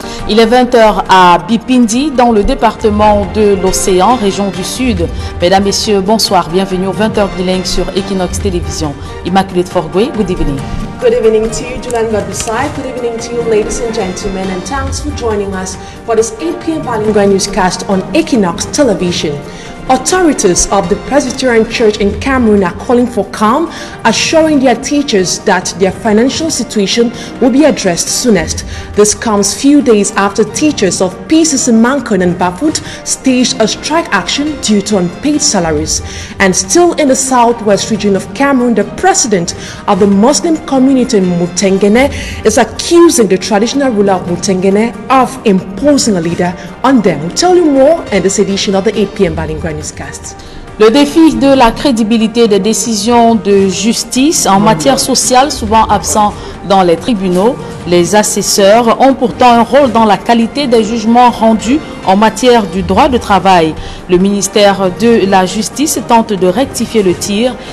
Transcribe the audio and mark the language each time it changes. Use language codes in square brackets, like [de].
[fr] Il est 20h à Bipindi, dans le département de l'Océan, région du Sud. Mesdames, Messieurs, bonsoir, bienvenue au 20h bilingue sur Equinox Télévision. [en] Immaculate Forgué, good evening. Good evening to you, Julian Babisai. Good evening to you, ladies and gentlemen, and thanks for joining us for this 8 p.m. bilingual newscast on Equinox Television. Authorities of the Presbyterian Church in Cameroon are calling for calm, assuring their teachers that their financial situation will be addressed soonest. This comes few days after teachers of PCC Mankon and Bafut staged a strike action due to unpaid salaries. And still in the southwest region of Cameroon, the president of the Muslim community in Mutengene is accusing the traditional ruler of Mutengene of imposing a leader on them. We'll tell you more in this edition of the 8 p.m. bilingual newscast. [fr] Le défi de la crédibilité des décisions de justice en matière sociale, souvent absent dans les tribunaux, les assesseurs ont pourtant un rôle dans la qualité des jugements rendus en matière du droit du travail. Le ministère de la Justice tente de rectifier le tir.